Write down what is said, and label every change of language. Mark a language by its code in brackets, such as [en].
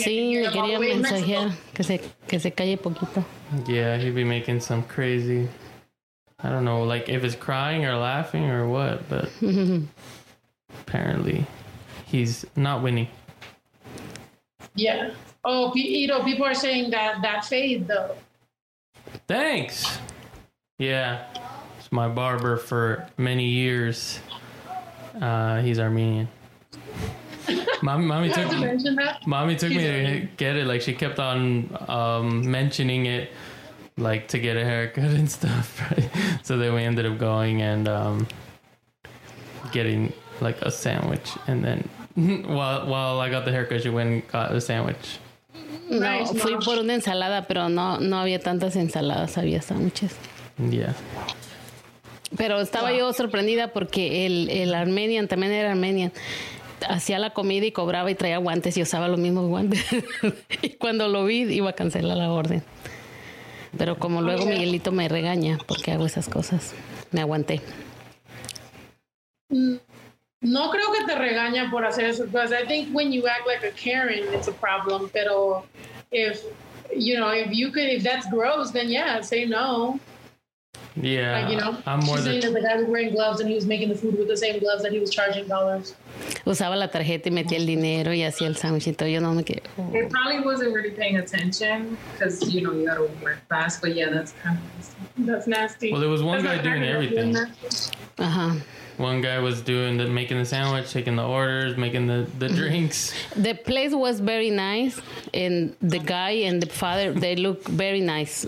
[es] Sí, le quería mensajear que se calle poquito. [en] Yeah, he'd be making some crazy. I don't know, like, if it's crying or laughing or what, but apparently he's not winning. Yeah. Oh, you know, people are saying that fade, though. Thanks. Yeah. It's my barber for many years. He's Armenian. Mommy took me to get it. Like, she kept on mentioning it, like, to get a haircut and stuff. Right? So then we ended up going and getting, like, a sandwich. And then while I got the haircut, she went and got a sandwich. [es] No, [en] nice, [es] fui por una ensalada, pero no había tantas ensaladas, había sándwiches. [en] Yeah. [es] Pero estaba yo sorprendida porque el Armenian, también era Armenian, hacía la comida y cobraba y traía guantes y usaba los mismos guantes. Y cuando lo vi, iba a cancelar la orden. Pero como luego Miguelito me regaña porque hago esas cosas, me aguanté. No creo que te regaña por hacer eso, [en] because I think when you act like a Karen, it's a problem. [es] Pero [en] if, you know, if that's gross, then yeah, say no. Yeah, like, you know, I'm more saying that the guy was wearing gloves and he was making the food with the same gloves that he was charging dollars. [es] Usaba la tarjeta y metía el dinero y hacía el sandwichito. Yo no me quedé. [en] Oh. It probably wasn't really paying attention because, you know, you got to work fast. But yeah, that's kind of nasty. That's nasty. Well, there was one guy doing everything. Uh-huh. One guy was doing the making the sandwich, taking the orders, making the drinks. The place was very nice, and the guy and the father, they look very nice.